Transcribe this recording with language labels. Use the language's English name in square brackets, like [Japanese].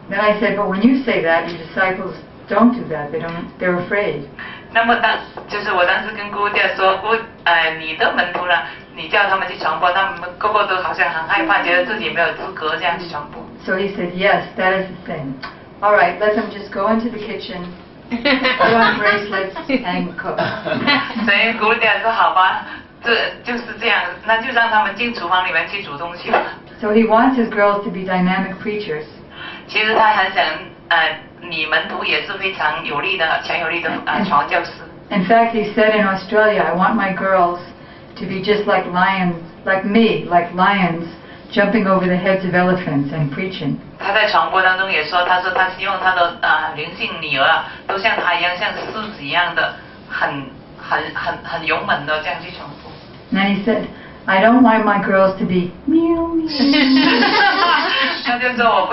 [English] Then I said, but when you say that, your disciples don't do that. They're afraid. [Chinese] 那么当就是我当时跟姑爹说，姑，你的门徒呢？你叫他们去传播，他们个个都好像很害怕，觉得自己没有资格这样去传播。 [English] So he said, yes, that is the thing. All right, let them just go into the kitchen put on bracelets and cook. [Chinese] 所以 Gurudeva 说好吧, 就是这样, 那就让他们进厨房里面去煮东西吧。 [English] So he wants his girls to be dynamic preachers. [Chinese] 其实他很想, 你们读也是非常有力的, 强有力的, [English] In fact, he said in Australia, I want my girls to be just like lions, like me, like lions, jumping over the heads of elephants and preaching. [Chinese] 他在传播当中也说,他说他希望他的 灵性女儿, 都像他一样,像狮子一样的, 很勇猛的这样去传播。 [English] And he said, I don't want my girls to be meow meow.